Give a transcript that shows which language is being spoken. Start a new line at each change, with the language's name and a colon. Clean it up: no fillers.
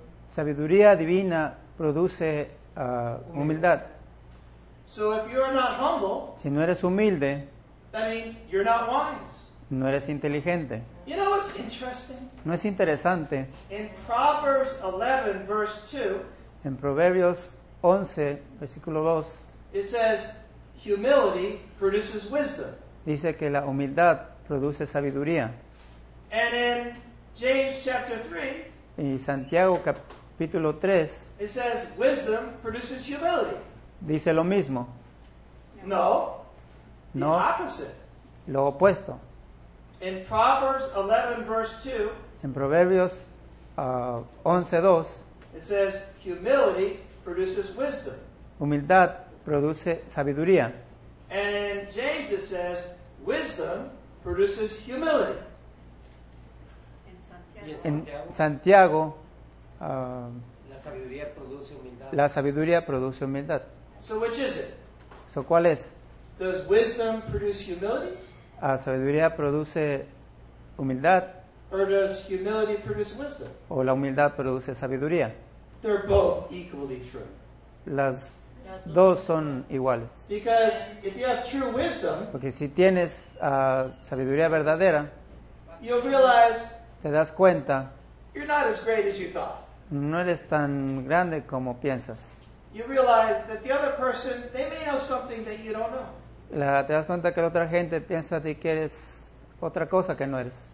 Spanish: Sabiduría divina produce humildad.
English: So if you are not humble,
Spanish: si no eres humilde,
English: that means you're not wise.
Spanish: No eres inteligente.
English: You know what's interesting?
Spanish: No es interesante.
English: In Proverbs 11, verse 2,
Spanish: en Proverbios 11, versículo 2,
English: it says, humility produces wisdom.
Spanish: Dice que la humildad produce sabiduría.
English: And in James chapter 3,
Spanish: y Santiago capítulo 3,
English: it says, wisdom produces humility.
Spanish: Dice lo mismo.
English: No.
Spanish: No.
English: The opposite.
Spanish: Lo opuesto.
English: In Proverbs 11, verse 2,
Spanish: en Proverbios 11:2,
English: it says, humility produces wisdom.
Spanish: Humildad produce sabiduría.
English: And in James it says, wisdom produces humility.
Spanish: In Santiago, la sabiduría produce humildad. La sabiduría produce humildad.
English: So which is it?
Spanish: So ¿cuál es?
English: Does wisdom produce humility?
Spanish: ¿La sabiduría produce humildad?
English: Or does humility produce wisdom?
Spanish: ¿O la humildad produce sabiduría?
English: They're both equally true.
Spanish: Las dos son iguales.
English: Because if you have true wisdom,
Spanish: porque si tienes sabiduría verdadera,
English: you'll realize,
Spanish: te das cuenta,
English: you're not as great as you thought.
Spanish: No eres tan grande como piensas.
English: You realize that the other person, they may know something that you don't know.
Spanish: Te das cuenta que la otra gente piensa de que eres otra cosa que no eres.